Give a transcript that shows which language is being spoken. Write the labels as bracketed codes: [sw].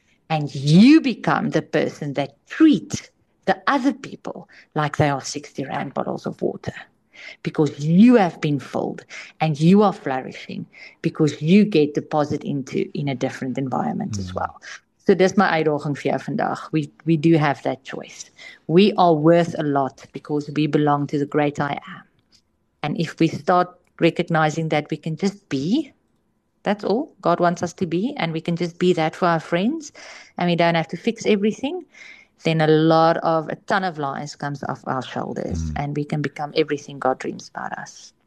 [en] And you become the person that treat the other people like they are R60 bottles of water. Because you have been filled and you are flourishing because you get deposit into in a different environment as well. [af] So dis my uitdaging vir jou vandag. [en] We do have that choice. We are worth a lot because we belong to the great I am. And if we start recognizing that we can just be, that's all God wants us to be, and we can just be that for our friends and we don't have to fix everything, then a ton of lies comes off our shoulders and we can become everything God dreams about us.